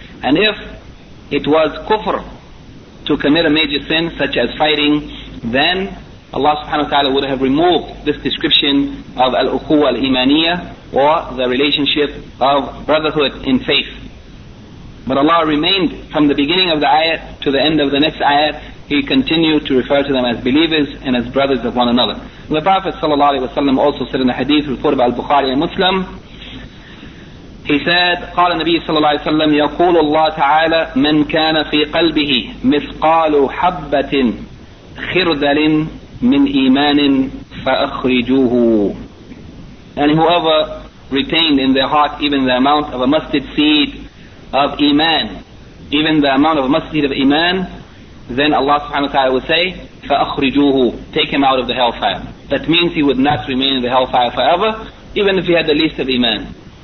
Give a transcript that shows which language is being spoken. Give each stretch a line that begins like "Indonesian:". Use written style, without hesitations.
English: And if it was kufr to commit a major sin such as fighting, then Allah subhanahu wa ta'ala would have removed this description of al-ukhuwa al-imaniyya, or the relationship of brotherhood in faith. But Allah remained from the beginning of the ayat to the end of the next ayat, He continued to refer to them as believers and as brothers of one another. The Prophet sallallahu alayhi wa sallam also said in a hadith reported by al-Bukhari and Muslim, he said,
Arabic: قال النبي صلى الله عليه وسلم يقول الله تعالى من كان في قلبه مثقال حبة خردل من إيمان فأخرجوه.
English: And whoever retained in their heart even the amount of a mustard seed of iman, even the amount of a mustard seed of iman, then Allah subhanahu wa ta'ala would say, فَأَخْرِجُوهُ, take him out of the hellfire. That means he would not remain in the hellfire forever, even if he had the least of iman.